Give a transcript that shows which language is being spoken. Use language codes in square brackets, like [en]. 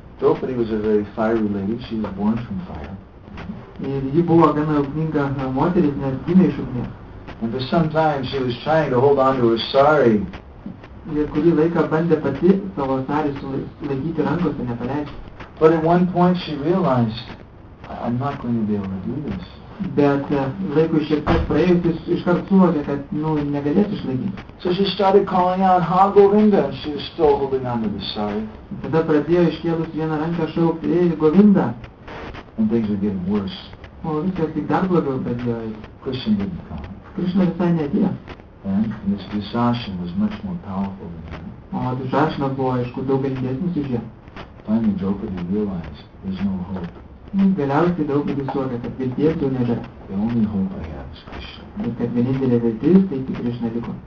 [en] Draupadi was a very fiery lady, she was born from fire. [lt] Ir ji buvo gana ugninga moteris, nes gimė iš ugnies. [en] And for some time she was trying to hold on to her sari. [lt] Ir kurį laiką bandė pati savo sarį sulaikyti rankose, nepaleisti. [en] But at one point she realized, I'm not going to be able to do this. [lt] Bet laikui šiek tiek praėjus, jis iškart suvokė, kad negalės išlaikyti. [en] So she started calling out, Ha Govinda, and she was still holding on to the sari. [lt] Tada pradėjo iškėlus vieną ranką šaukti, ei, Govinda. [en] And things were getting worse. [lt] O viskas tik dar blogiau pradėjo. [en] Christian didn't come. [lt] Krishna visai neatėjo. [en] And this Dushasana was much more powerful than him. [lt] O Dushasana buvo, aišku, daug galingesnis už ją. [en] Finally, Draupadi realized there's no hope. [lt] Galiausiai Draupadi suvokė, kad vilties jau nėra. [en] The only hope I have is Krishna. [lt] Ir kad vienintelė viltis, tai tik Krishna liko.